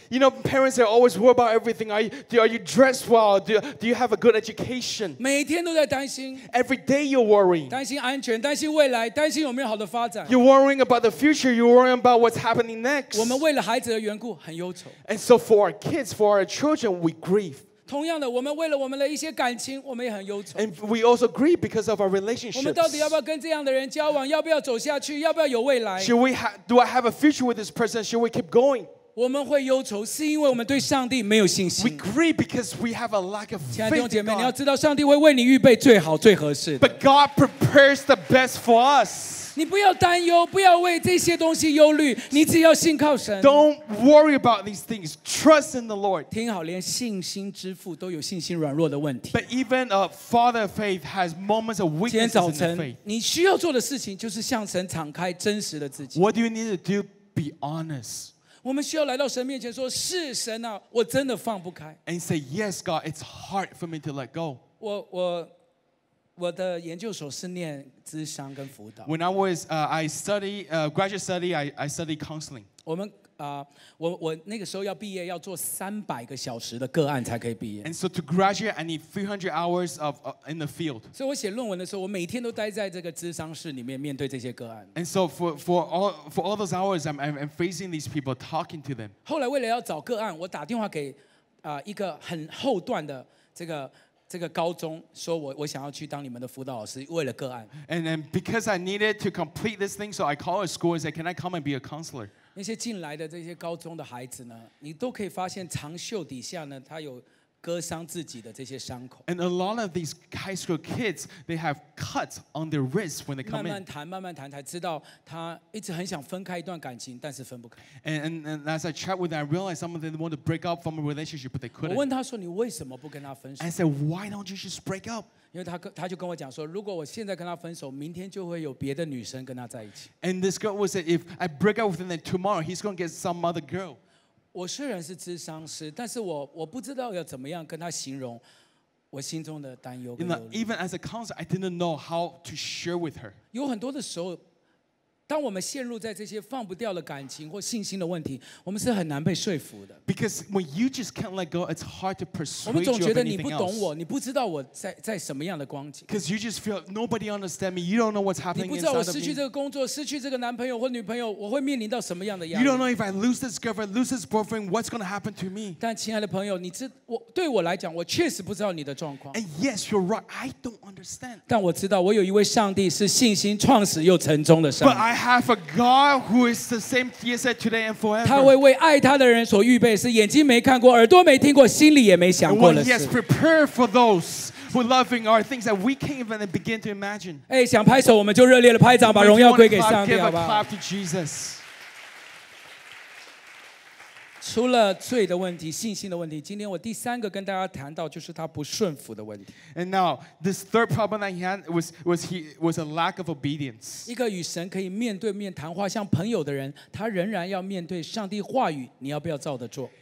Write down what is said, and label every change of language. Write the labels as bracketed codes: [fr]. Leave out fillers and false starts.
[en] You know, parents are always worried about everything. Are you dressed well? Do you have a good education? [zh] 每天都在担心。 [en] Every day you're worrying. [zh] 担心安全，担心未来，担心有没有好的发展。 [en] You're worrying about the future. You're worrying about what's happening next. [zh] 我们为了孩子的缘故很忧愁。 [en] And so for our kids, for our children, we grieve. [zh] 同样的，我们为了我们的一些感情，我们也很忧愁。 [en] And we also grieve because of our relationships. [zh] 我们到底要不要跟这样的人交往？要不要走下去？要不要有未来 [en] ？Do I have a future with this person? Should we keep going? [zh] 我们会忧愁，是因为我们对上帝没有信心。 [en] We grieve because we have a lack of faith. [zh] 亲爱的弟兄姐妹，你要知道，上帝会为你预备最好、最合适的。 [en] But God prepares the best for us. [zh] 你不要担忧，不要为这些东西忧虑，你只要信靠神。 [en] Don't worry about these things. Trust in the Lord. [zh] 听好，连信心之父都有信心软弱的问题。 [en] But even a father of faith has moments of weakness. [zh] 今天早晨，你需要做的事情就是向神敞开真实的自己。 [en] What do you need to do? Be honest. [zh] 我们需要来到神面前说，是神啊，我真的放不开。 [en] And say, yes, God, it's hard for me to let go. [zh] 我的研究所是念諮商跟輔導。 [en] When I was, graduate study, I studied counseling. [zh] 我们我那个时候要毕业，要做300个小时的个案才可以毕业。 [en] And so to graduate, I need 300 hours of in the field. [zh] 所以我写论文的时候，我每天都待在这个諮商室里面，面对这些个案。 [en] And so for all those hours, I'm facing these people, talking to them. [zh] 后来为了要找个案，我打电话给一个很后段的这个高中说我想要去当你们的辅导老师，为了个案。 [en] And then because I needed to complete this thing, so I called a school and said, "Can I come and be a counselor?" [zh] 那些进来的这些高中的孩子呢，你都可以发现长袖底下呢，他有割伤自己的这些伤口。 [en] And a lot of these high school kids, they have cuts on their wrists when they come in. [zh] 慢慢谈，慢慢谈，才知道他一直很想分开一段感情，但是分不开。 [en] And as I chat with them, I realized some of them want to break up from a relationship, but they couldn't. [zh] 我问他说：“你为什么不跟他分手？” [en] I said, "Why don't you just break up?" [zh] 因为他就跟我讲说：“如果我现在跟他分手，明天就会有别的女生跟他在一起。” [en] And this girl was said, "If I break up with him tomorrow, he's going to get some other girl." [zh] 我虽然是諮商师，但是我不知道要怎么样跟他形容我心中的担忧跟忧虑。 [en] Even as a counselor, I didn't know how to share with her. [zh] 有很多的时候，当我们陷入在这些放不掉的感情或信心的问题，我们是很难被说服的。 [en] Because when you just can't let go, it's hard to persuade you of anything [zh] else. 我们总觉得你不懂我，你不知道我在什么样的光景。 [en] Because you just feel nobody understands me. You don't know what's happening. [zh] 你不知道我失去这个工作，失去这个男朋友或女朋友，我会面临到什么样的压力。 [en] You don't know if I lose this girlfriend, lose this boyfriend, what's going to happen to me? [zh] 但亲爱的朋友，对我来讲，我确实不知道你的状况。 [en] And yes, you're right. I don't understand. [zh] 但我知道，我有一位上帝是信心创始又成终的上帝。 [en] I have a God who is the same yesterday, today, and forever. [zh] 他会为爱他的人所预备，是眼睛没看过，耳朵没听过，心里也没想过的事。 [en] He has prepared for those who loving are things that we can't even begin to imagine. [zh] 哎，想拍手，我们就热烈的拍掌，把荣耀归给上帝，好吧 [en] ？Give a clap to Jesus. [zh] 除了罪的问题、信心的问题，今天我第三个跟大家谈到就是他不顺服的问题。 [en] And now this third problem that he had was a lack of obedience. [zh] 一个与神可以面对面谈话、像朋友的人，他仍然要面对上帝话语，你要不要照着做